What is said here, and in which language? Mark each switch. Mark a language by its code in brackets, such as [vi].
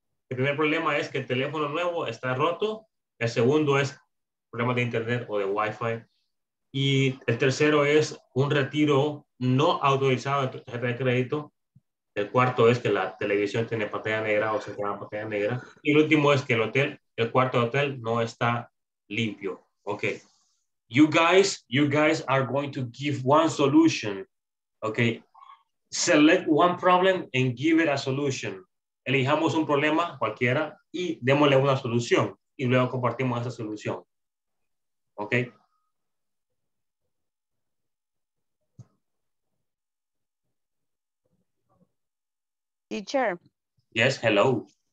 [es] El primer problema es que el teléfono nuevo está roto. El segundo es problema de internet o de Wi-Fi. Y el tercero es un retiro no autorizado de tarjeta de crédito. El cuarto es que la televisión tiene pantalla negra o se llama pantalla negra. Y el último es que el hotel, el cuarto hotel no está limpio. [en] Okay. You guys are going to give one solution. Okay. Select one problem and give it a solution. [es] Elijamos un problema cualquiera y démosle una solución y luego compartimos esa solución. Okay. Teacher. Yes, hello.